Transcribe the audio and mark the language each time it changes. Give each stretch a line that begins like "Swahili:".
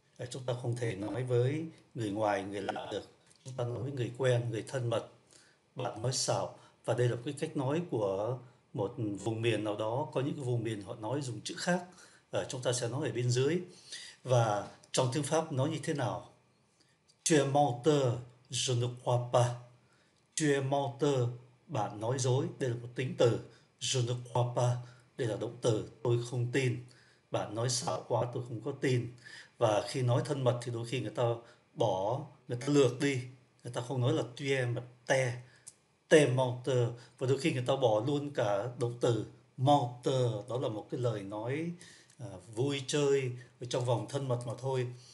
Vietnamese: Chúng ta không thể nói với người ngoài, người lạ được. Chúng ta nói với người quen, người thân mật. Bạn nói xạo. Và đây là cái cách nói của một vùng miền nào đó, có những vùng miền họ nói dùng chữ khác, chúng ta sẽ nói ở bên dưới. Và trong tiếng Pháp nói như thế nào?
French: Tu es menteur, je ne crois pas. Tu es menteur,
Vietnamese: bạn nói dối, đây là một tính từ.
French: Je ne crois pas,
Vietnamese: đây là động từ, tôi không tin. Bạn nói xạo quá, tôi không có tin. Và khi nói thân mật thì đôi khi người ta bỏ, người ta lược đi. Người ta không nói là
French: tu es,
Vietnamese: mà te.
French: Te menteur,
Vietnamese: và đôi khi người ta bỏ luôn cả động từ menteur, đó là một cái lời nói vui chơi trong vòng thân mật mà thôi.